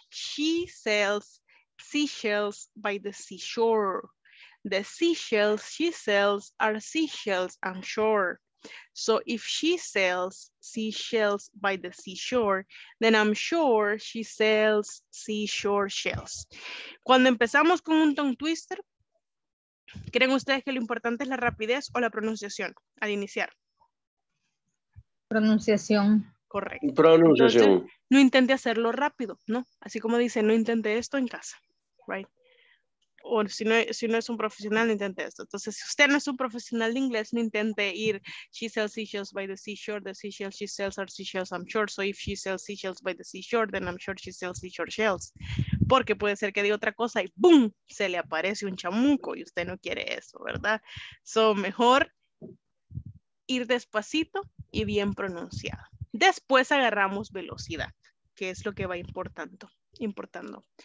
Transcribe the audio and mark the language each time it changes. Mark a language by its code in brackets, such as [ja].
[en] She sells seashells by the seashore. The seashells she sells are seashells, I'm sure. So if she sells seashells by the seashore, then I'm sure she sells seashore shells. [es] Cuando empezamos con un tongue twister, ¿creen ustedes que lo importante es la rapidez o la pronunciación al iniciar? Pronunciación. Correcto. Pronunciación. Entonces, no intente hacerlo rápido, ¿no? Así como dice, no intente esto en casa, right? O si no es un profesional, no intente esto. Entonces, si usted no es un profesional de inglés, no intente ir. [en] She sells seashells by the seashore. The seashells she sells are seashells, I'm sure. So if she sells seashells by the seashore, then I'm sure she sells seashore shells. [es] Porque puede ser que diga otra cosa y ¡boom! Se le aparece un chamuco y usted no quiere eso, ¿verdad? So, mejor ir despacito y bien pronunciado. Después agarramos velocidad, que es lo que va importando.